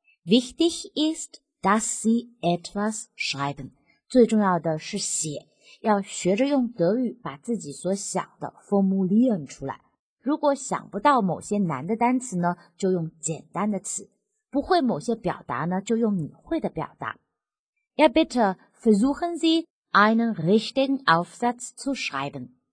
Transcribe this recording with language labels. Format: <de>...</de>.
<de>Wichtig ist, dass Sie etwas schreiben.</de> <zh>最重要的是写。要学着用德语把自己所想的 formulieren 出来。如果想不到某些难的单词呢，就用简单的词；不会某些表达呢，就用你会的表达。</zh> <de>Ja, bitte versuchen Sie einen richtigen Aufsatz zu schreiben.</de>